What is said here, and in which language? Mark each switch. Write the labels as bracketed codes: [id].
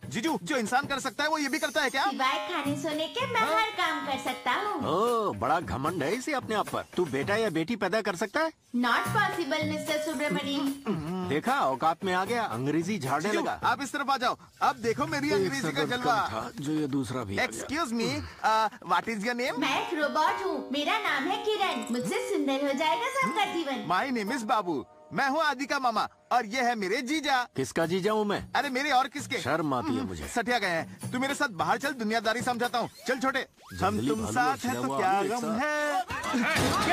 [hi] जीजू जो इंसान कर सकता है वो ये भी करता है क्या? सिवाय खाने सोने के मैं हर काम कर सकता हूँ। ओह बड़ा घमंड है इसे अपने आप पर। तू बेटा या बेटी पैदा कर सकता है? [en] Not possible mister Subramanya. [hi] देखा औकात में आ गया, अंग्रेजी झाड़ने लगा। आप इस तरफ आ जाओ, अब देखो मेरी अंग्रेजी का जलवा। जो ये दूसरा भी [en] Excuse me, what is your name? [hi] मैं रोबोट हूँ, मेरा नाम है किरण, मुझसे सुंदर हो जाएगा सबका जीवन। [en] My name is [hi] बाबू, मैं हूँ आदि का मामा और ये है मेरे जीजा। किसका जीजा हूँ मैं? अरे मेरे और किसके? शर्म आती है मुझे। सठिया गए हैं, तू मेरे साथ बाहर चल, दुनियादारी समझाता हूँ। चल छोटे, हम तुम साथ हैं तो क्या गम है।